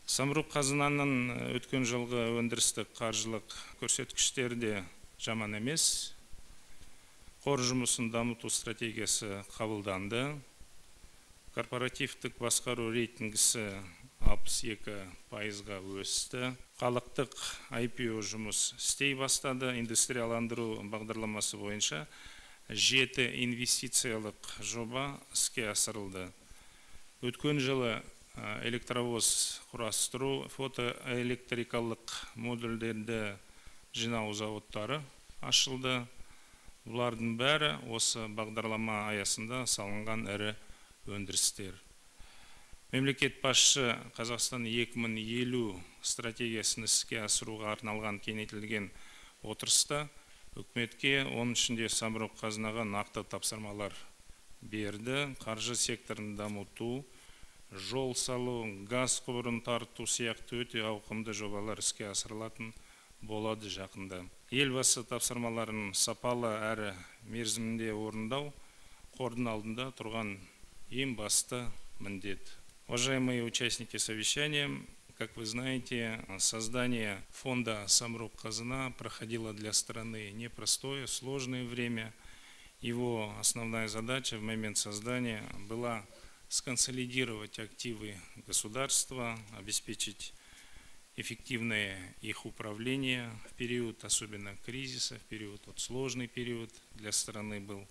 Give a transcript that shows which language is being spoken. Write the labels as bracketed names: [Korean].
[Kazakh] Самұрық қазынаның өткен жылғы өндірістік қаржылық көрсеткіштері де жаман емес. Қор жұмысын дамыту стратегиясы қабылданды. Корпоративтік басқару рейтингісі 62%-ға өсті. Халықтық IPO жұмыс істей бастады. Индустрияландыру бағдарламасы бойынша 7 инвестициялық жоба іске асырылды. Өткен жылы электровоз құрастыру, фотоэлектрикалық модульдерді жинау зауыттары ашылды. Бұлардың бәрі осы бағдарлама аясында салынған ірі өндірістер. Мемлекет басшысы Қазақстан 2050 стратегиясын іске асыруға арналған кеңейтілген отырыста үкіметке, оның ішінде Самұрық қазынаға нақты тапсырмалар берді. Қаржы секторын дамыту, жол салу, газ құбырын тарту сияқты өте ауқымды жобалар іске асырылатын болады жақында. Елбасы тапсырмаларын сапалы әрі мерзімінде орындау қордың алдында тұрған ең басты міндет. [Russian] Уважаемые участники совещания, как вы знаете, создание фонда «Самрук Казана» проходило для страны непростое, сложное время. Его основная задача в момент создания была сконсолидировать активы государства, обеспечить эффективное их управление в период особенно кризиса, в период вот сложный период для страны был.